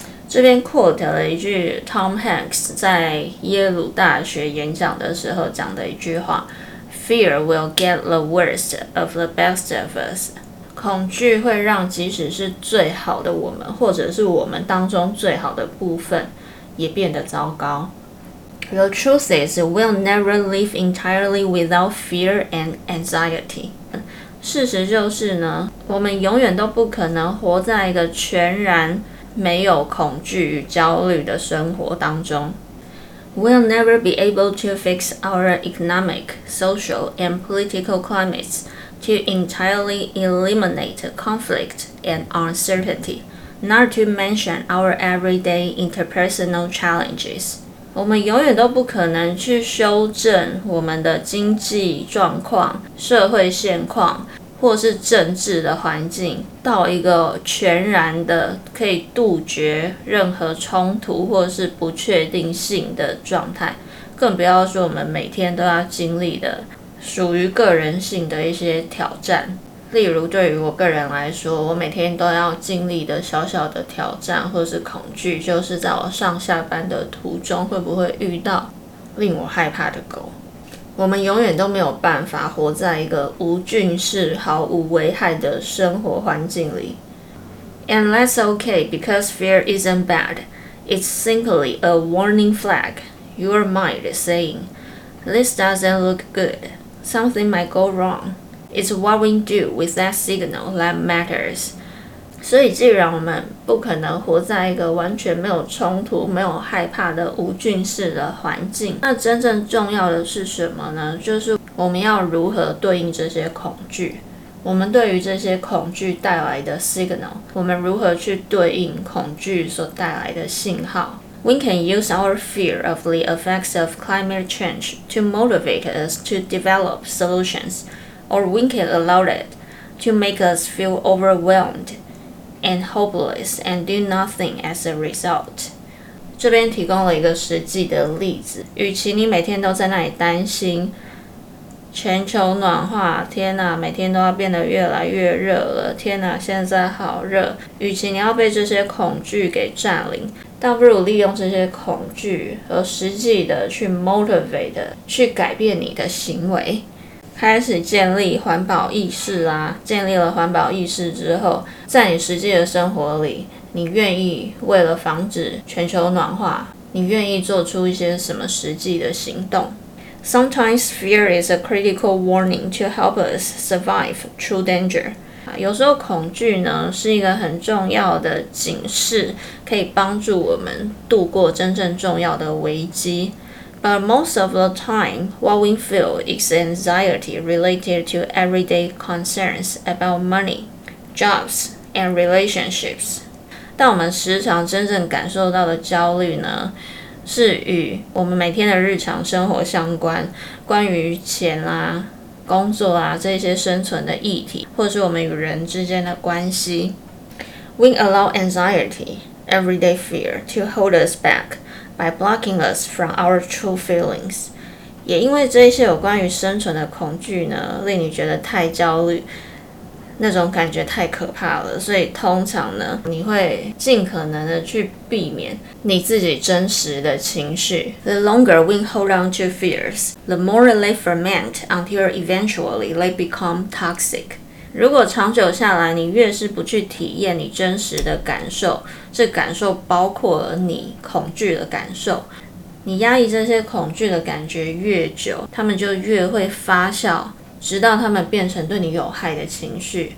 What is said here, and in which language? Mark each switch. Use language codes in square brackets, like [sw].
[zh] 这边 quote 了一句 Tom Hanks 在耶鲁大学演讲的时候讲的一句话 ： [en] Fear will get the worst of the best of us. [zh] 恐惧会让即使是最好的我们，或者是我们当中最好的部分，也变得糟糕。 [en] The truth is, we'll never live entirely without fear and anxiety. [zh] 事实就是呢，我们永远都不可能活在一个全然没有恐惧与焦虑的生活当中。 [en] We'll never be able to fix our economic, social, and political climates. To entirely eliminate conflict and uncertainty, not to mention our everyday interpersonal challenges. [zh] 我们永远都不可能去修正我们的经济状况、社会现况，或是政治的环境，到一个全然的可以杜绝任何冲突或是不确定性的状态，更不要说我们每天都要经历的属于个人性的一些挑战。例如对于我个人来说，我每天都要经历的小小的挑战或是恐惧，就是在我上下班的途中会不会遇到令我害怕的狗。我们永远都没有办法活在一个无菌室、毫无危害的生活环境里。 [en] And that's okay, because fear isn't bad. It's simply a warning flag. Your mind is saying, this doesn't look good. Something might go wrong. It's what we do with that signal that matters. [zh] 所以既然我们不可能活在一个完全没有冲突、没有害怕的无菌室的环境，那真正重要的是什么呢？就是我们要如何对应这些恐惧，我们对于这些恐惧带来的 signal， 我们如何去对应恐惧所带来的信号。 [en] We can use our fear of the effects of climate change to motivate us to develop solutions, or we can allow it to make us feel overwhelmed and hopeless and do nothing as a result. [zh] 这边提供了一个实际的例子，与其你每天都在那里担心全球暖化，天哪，每天都要变得越来越热了，天哪，现在好热，与其你要被这些恐惧给占领，倒不如利用这些恐惧和实际的去 motivate， 去改变你的行为，开始建立环保意识啊。建立了环保意识之后，在你实际的生活里，你愿意为了防止全球暖化，你愿意做出一些什么实际的行动。 [en] Sometimes fear is a critical warning to help us survive through danger. [zh] 有时候恐惧呢，是一个很重要的警示，可以帮助我们度过真正重要的危机。 [en] But most of the time, what we feel is anxiety related to everyday concerns about money, jobs, and relationships. [zh] 但我们时常真正感受到的焦虑呢，是与我们每天的日常生活相关，关于钱啊、工作啊这些生存的议题，或是我们与人之间的关系。 [en] We allow anxiety, everyday fear, to hold us back by blocking us from our true feelings. [zh] 也因为这些有关于生存的恐惧呢，令你觉得太焦虑，那种感觉太可怕了，所以通常呢，你会尽可能的去避免你自己真实的情绪。 [en] The longer we hold on to fears, the more they ferment until eventually they become toxic. [zh] 如果长久下来，你越是不去体验你真实的感受，这感受包括了你恐惧的感受，你压抑这些恐惧的感觉越久，他们就越会发酵，直到他们变成对你有害的情绪。